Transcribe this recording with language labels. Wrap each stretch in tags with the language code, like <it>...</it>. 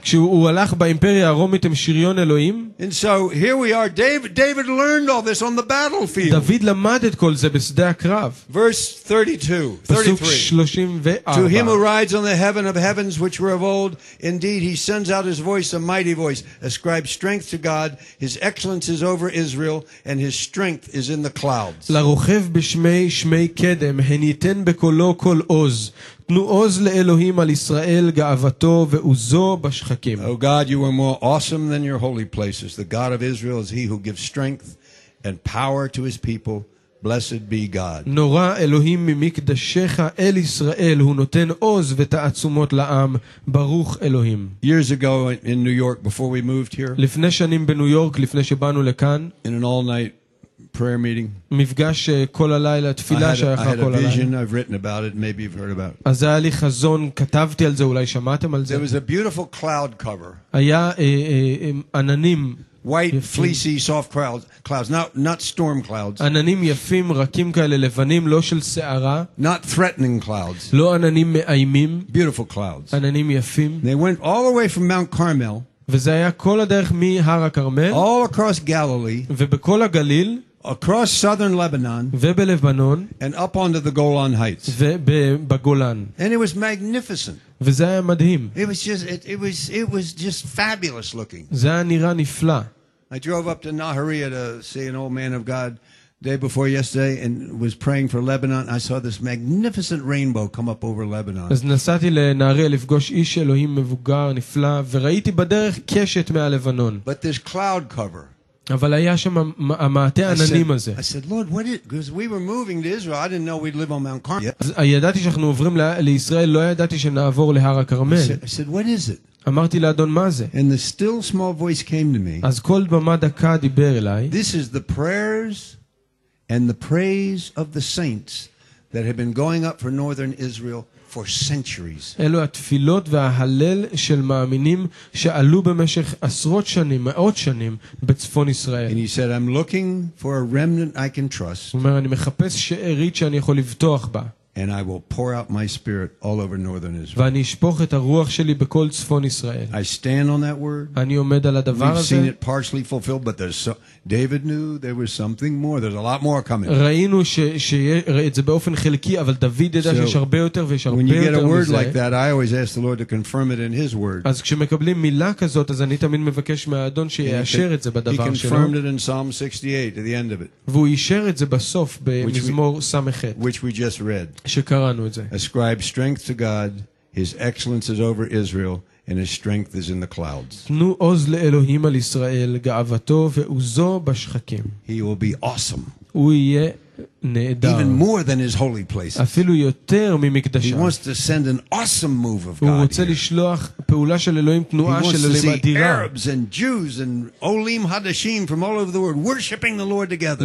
<he>כשהוא הלך באימפריה הרומית עם שריון אלוהים?</he> <en>And so here we are. David learned all this on the battlefield.</en> <he>דוד למד את כל זה בשדה הקרב.</he> <en>Verse 32, 33. To him who rides on the heaven of heavens which were of old, indeed he sends out his voice, a mighty voice, ascribe strength to God, his excellence is over Israel, and his strength is in the clouds.</en> <he>לרוכב בשמי שמי קדם, הניתן בקולו כל עוז. תנו עוז לאלוהים על ישראל גאוותו ועוזו בשחקים.</he> <en>Oh God, you are more awesome than your holy places. The God of Israel is he who gives strength and power to his people. Blessed be God.</en> <he>נורא אלוהים ממקדשך אל ישראל, הוא נותן עוז ותעצומות לעם. ברוך אלוהים.</he> <en>Years ago in New York, before we moved here.</en> <he>לפני שנים בניו יורק, לפני שבאנו לכאן.</he> <en>In an all-night prayer meeting.</en> <he>מפגש כל הלילה, תפילה שהיה כל הלילה.</he> <en>I had a vision, I've written about it, maybe you've heard about it.</en> <he>אז היה לי חזון, כתבתי על זה, אולי שמעתם על זה.</he> <en>There was a beautiful cloud cover.</en> <he>היה עננים.</he> <en>White, fleecy, soft clouds. Not storm clouds.</en> <he>עננים יפים, רקים כאלה, לבנים, לא של שערה.</he> <en>Not threatening clouds.</en> <he>לא עננים מאיימים.</he> <en>Beautiful clouds.</en> <he>עננים יפים.</he> <en>They went all the way from Mount Carmel.</en> <he>וזה היה כל הדרך מהר הכרמל.</he> <en>All across Galilee.</en> <he>ובכל הגליל.</he> <en>Across southern Lebanon.</en> <he>ובלבנון.</he> <en>And up onto the Golan Heights.</en> <he>ובגולן.</he> <en>And it was magnificent.</en> <he>וזה היה מדהים.</he> <en>It was just fabulous looking.</en> <he>זה היה נראה נפלא.</he> <en>I drove up to Nahariya to see an old man of God day before yesterday and was praying for Lebanon. I saw this magnificent rainbow come up over Lebanon.</en> <he>אז נסעתי לנהריה לפגוש איש אלוהים מבוגר נפלא וראיתי בדרך קשת מעל לבנון.</he> <en>But this cloud cover.</en> <he>אבל היה שם המעטה עננים הזה.</he> <en>I said, Lord, what is it? Because we were moving to Israel. I didn't know we'd live on Mount Carmel.</en> <he>ידעתי שאנחנו עוברים לישראל, לא ידעתי שנעבור להר הכרמל.</he> <en>I said, what is it?</en> <he>אמרתי לאדון, מה זה?</he> <en>And the still small voice came to me.</en> <he>אז כל במה דקה דיבר אליי.</he> <en>This is the prayers and the praise of the saints that have been going up for northern Israel for centuries.</en> <he>אלו התפילות וההלל של מאמינים שעלו במשך עשרות שנים, מאות שנים בצפון ישראל.</he> <en>And he said, I'm looking for a remnant I can trust.</en> <he>הוא אומר, אני מחפש שארית שאני יכול לבטוח בה.</he> <en>And I will pour out my spirit all over northern Israel.</en> <he>ואני אשפוך את הרוח שלי בכל צפון ישראל.</he> <en>I stand on that word.</en> <he>אני עומד על הדבר הזה.</he> <en>We've seen it partially fulfilled, but there's so, David knew there was something more. There's a lot more coming.</en> <he>ראינו שזה באופן חלקי, אבל דוד ידע שיש הרבה יותר ויש הרבה יותר מזה.</he> <en>When you get a word like that, I always ask the Lord to confirm it in His word.</en> <he>אז כשמקבלים מילה כזאת, אז אני תמיד מבקש מהאדון שיאשר את זה בדבר שלו.</he> <en>He confirmed it in Psalm 68 at the end of it.</en> <he>והוא אישר את זה בסוף במזמור סמכת.</he> <en>Which we just read.</en> <he>שקראנו את זה.</he> <en>Ascribe strength to God, His excellence is over Israel, and His strength is in the clouds.</en> <he>תנו עוז לאלוהים על ישראל, גאוותו ועוזו בשחקים.</he> <en>He will be awesome.</en> <he>הוא יהיה נהדר.</he> <en>Even more than His holy places.</en> <he>אפילו יותר ממקדשה.</he> <en>He wants to send an awesome move of God.</en> <he>הוא רוצה לשלוח פעולה של אלוהים, תנועה של אלוהים אדירה.</he> <en>He wants to see Arabs and Jews and Olim Hadashim from all over the world worshiping the Lord together.</en>